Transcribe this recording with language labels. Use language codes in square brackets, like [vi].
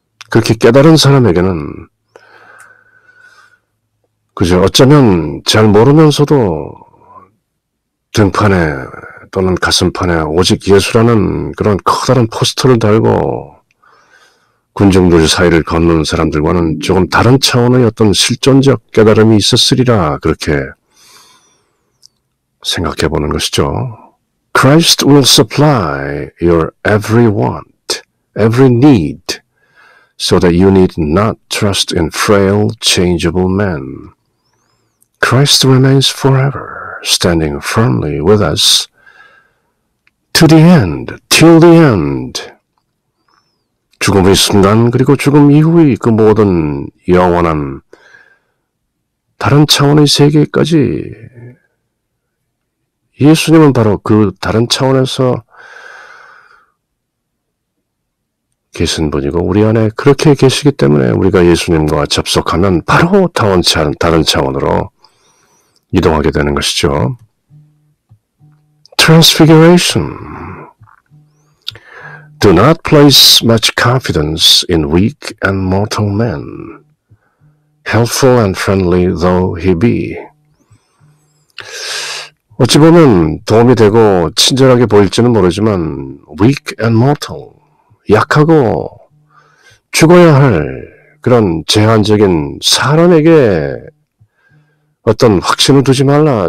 [ko] 그렇게 깨달은 사람에게는 그저 어쩌면 잘 모르면서도 등판에 또는 가슴판에 오직 예수라는 그런 커다란 포스터를 달고 군중들 사이를 걷는 사람들과는 조금 다른 차원의 어떤 실존적 깨달음이 있었으리라 그렇게 생각해 보는 것이죠. [en] Christ will supply your every want, every need, so that you need not trust in frail, changeable men. Christ remains forever, standing firmly with us, to the end, till the end. [ko] 죽음의 순간 그리고 죽음 이후의 그 모든 영원한 다른 차원의 세계까지 예수님은 바로 그 다른 차원에서 계신 분이고 우리 안에 그렇게 계시기 때문에 우리가 예수님과 접속하면 바로 다른 차원으로 이동하게 되는 것이죠. [en] Transfiguration. Do not place much confidence in weak and mortal men, helpful and friendly though he be. [ko] 어찌 보면 도움이 되고 친절하게 보일지는 모르지만 [en] weak and mortal, [ko] 약하고 죽어야 할 그런 제한적인 사람에게 어떤 확신을 두지 말라.